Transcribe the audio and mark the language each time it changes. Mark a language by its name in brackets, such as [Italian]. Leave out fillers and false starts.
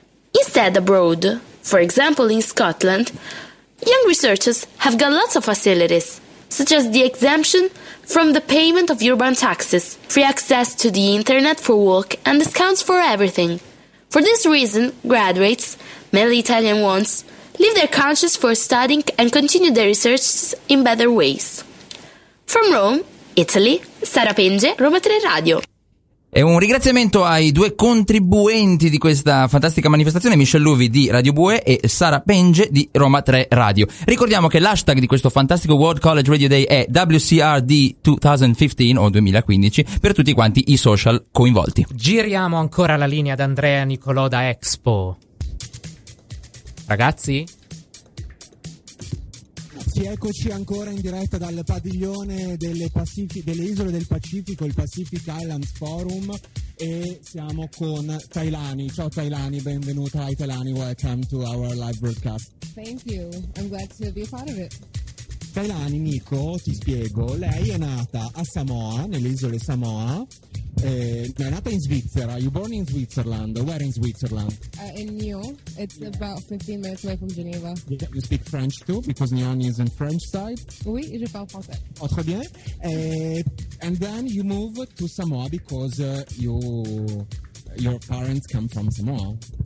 [English] Instead, abroad, for example in Scotland, young researchers have got lots of facilities, such as the exemption from the payment of urban taxes, free access to the internet for work, and discounts for everything. For this reason, graduates, mainly Italian ones, leave their countries for studying and continue their research in better ways. From Rome, Italy, Sara Penge, Roma 3 Radio. [Italian] E un ringraziamento ai due contribuenti di questa fantastica manifestazione, Michel Luvi di Radio Bue e Sara Penge di Roma 3 Radio. Ricordiamo che l'hashtag di questo fantastico World College Radio Day è WCRD 2015 o 2015 per tutti quanti i social coinvolti. Giriamo ancora la linea ad Andrea Nicolò da Expo. Ragazzi? ragazzi, eccoci ancora in diretta dal padiglione delle isole del Pacifico, il Pacific Islands Forum, e siamo con Tailani. Ciao Tailani, benvenuta. [English] Hi Tailani, welcome to our live broadcast. Thank you, I'm glad to be a part of it. [Italian] Tailani, Nico, ti spiego, lei è nata a Samoa, nelle isole Samoa, è nata in Svizzera. [English] You born in Switzerland, where in Switzerland? In Nyon, it's about 15 minutes away from Geneva. Yeah, you speak French too, because Nyon is in French side? [French] Oui, je parle français. Oh, très bien. [English] And then you move to Samoa because your parents come from Samoa.